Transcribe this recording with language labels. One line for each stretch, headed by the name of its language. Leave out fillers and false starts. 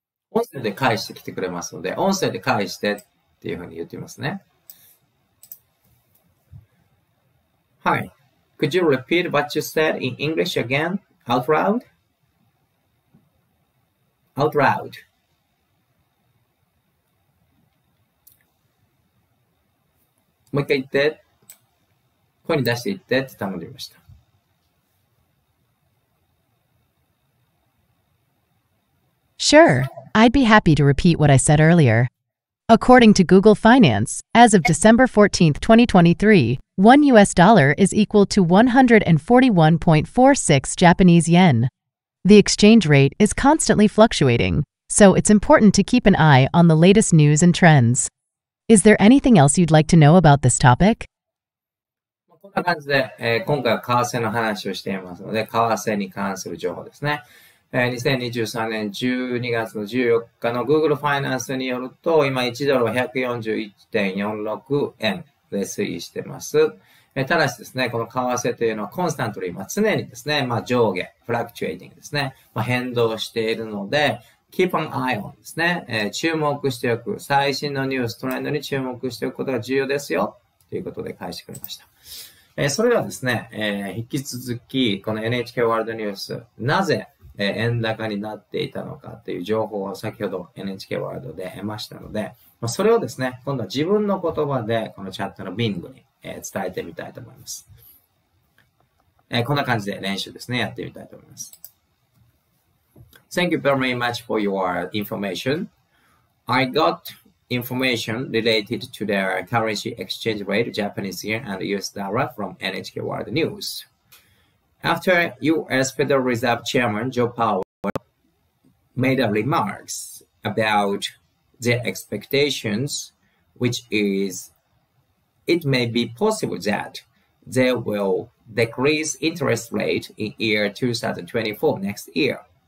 Japanese: 音声で返してきてくれますので、音声で返してっていうふうに言ってますね。
English: Hi, could you repeat what you said in English again, out loud? Out loud.
Japanese: もう一回言って、声に出して言ってって頼んでみました。
English: Sure, I'd be happy to repeat what I said earlier. According to Google Finance, as of December 14, 2023, one US dollar is equal to 141.46 Japanese yen. The exchange rate is constantly fluctuating, so it's important to keep an eye on the latest news and trends. Is there anything else you'd like to know about this topic?
Japanese: こんな感じで、今回は為替の話をしていますので、為替に関する情報ですね。 2023年12月の14日の Google Finance によると、今1ドルは 141.46 円で推移しています。ただしですね、この為替というのはコンスタントリー、まあ、常にですね、まあ、上下、フラクチュエイティングですね、まあ、変動しているので、
English: keep an eye on
Japanese: ですね、注目しておく、最新のニュース、トレンドに注目しておくことが重要ですよ、ということで返してくれました。それではですね、引き続き、この NHK ワールドニュース、なぜ円高になっていたのかという情報を先ほど NHK ワールドで得ましたので、まあ、それをですね、今度は自分の言葉で、このチャットのビングに、伝えてみたいと思います。こんな感じで練習ですね、やってみたいと思います。
English: Thank you very much for your information. I got information related to the currency exchange rate, Japanese yen and US dollar from NHK World News. After US Federal Reserve Chairman Joe Powell made a remarks about the expectations, which isIt may be possible that they will decrease interest rate in year 2024, next year.